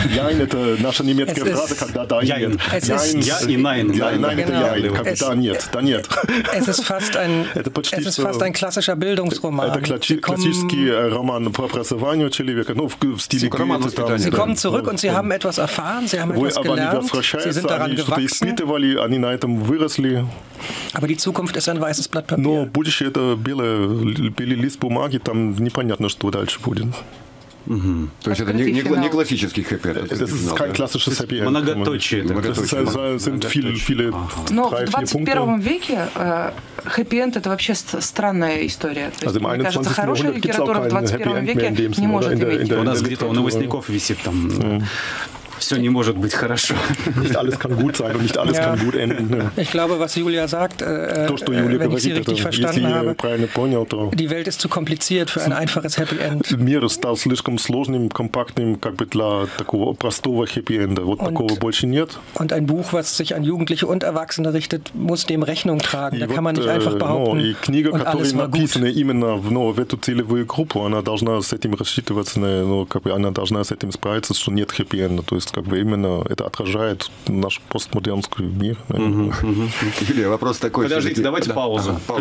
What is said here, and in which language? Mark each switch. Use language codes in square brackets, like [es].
[de] Jein, [ru] это наша немецкая фраза, когда [de] dein. Jein. Jein. Es ist fast ein, es ist fast ein klassischer Bildungsroman. [ru] Это классический роман по образованию человека, ну, в стиле Гёте. [de] Sie kommen zurück und sie haben etwas erfahren, sie haben etwas gelernt, sie sind daran gewachsen. [ru] Они на этом выросли. [de] Aber die Zukunft ist ein weißes Blatt Papier. Но [ru] будущее – это белый лист бумаги, там непонятно, что дальше будет. То есть это не классический хэппи. Это не классический хэппи. Многоточие. Многоточие. Но в 21 веке хэппи-энд – это вообще странная история. То есть, мне кажется, хорошая литература в 21 веке не может иметь. У нас где-то у новостников висит там… Все не может быть хорошо. [de] Nicht alles kann gut sein und nicht alles kann gut enden. Ich glaube, was Julia sagt, [ru] то, что Юлия [de] wenn [ru] говорит, [de] ich sie richtig [ru] это, [de] verstanden [ru] если [de] habe, [ru] я правильно понял, то... [de] Die Welt ist zu kompliziert für ein einfaches happy end. [ru] Мир стал слишком сложным, компактным, как бы для такого простого хэппи-энда. Вот такого больше нет. [de] Und ein Buch, was sich an Jugendliche und Erwachsene richtet, muss dem Rechnung tragen. Da kann man nicht einfach behaupten, [ru] и книга, которая написана именно в эту целевую группу, она должна с этим рассчитываться, она должна с этим справиться, что нет хэппи-энда. То есть как бы именно это отражает наш постмодернский мир. Юлия, вопрос такой. Подождите, давайте паузу.